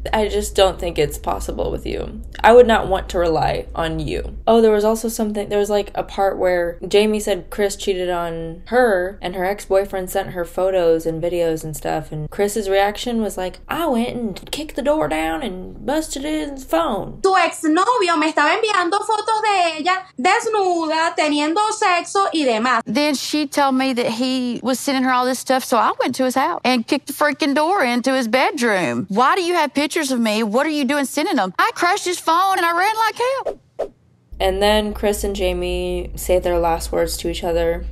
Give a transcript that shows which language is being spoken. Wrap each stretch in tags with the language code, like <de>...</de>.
<en>I just don't think it's possible with you. I would not want to rely on you. Oh, there was also something, there was like a part where Jamie said Chris cheated on her and her ex-boyfriend sent her photos and videos and stuff. And Chris's reaction was like, I went and kicked the door down and busted it in the phone.</en> <es>Tu exnovio me estaba enviando fotos de ella desnuda, teniendo sexo y demás.</es> <en>Then she told me that he was sending her all this stuff, so I went to his house and kicked the freaking door into his bedroom. Why do you have pictures of me? What are you doing sending them? I crashed his phone and I ran like hell. And then Chris and Jamie say their last words to each other.</en>